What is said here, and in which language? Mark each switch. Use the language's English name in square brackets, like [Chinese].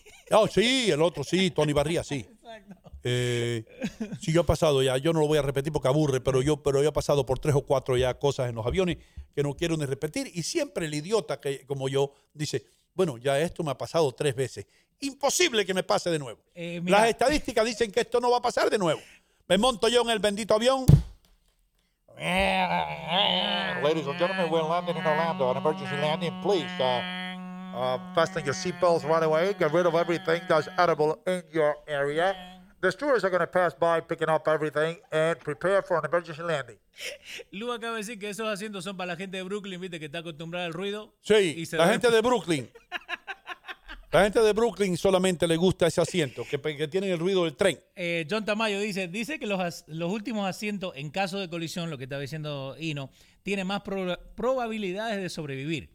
[Spanish] Oh, sí, el otro, sí, Tony Barría, sí. Sí, yo he pasado ya, yo no lo voy a repetir porque aburre, pero yo he pasado por 3 o 4 ya cosas en los aviones que no quiero ni repetir, y siempre el idiota que como yo dice, bueno, ya esto me ha pasado 3 veces, imposible que me pase de nuevo. Las estadísticas dicen que esto no va a pasar de nuevo. Me monto yo en el bendito avión. [English] Ladies and gentlemen, we're landing in Orlando, an emergency landing, please. Fasten your seatbelts right away, get rid of everything that's edible in your area. The stewards are going to pass by picking up everything and prepare for an emergency landing. [Spanish] Lu acaba de decir que esos asientos son para la gente de Brooklyn, viste, que está acostumbrada al ruido. Sí, gente de Brooklyn. La gente de Brooklyn solamente le gusta ese asiento, que tienen el ruido del tren. John Tamayo dice que los últimos asientos, en caso de colisión, lo que estaba diciendo Hino, tiene más probabilidades de sobrevivir.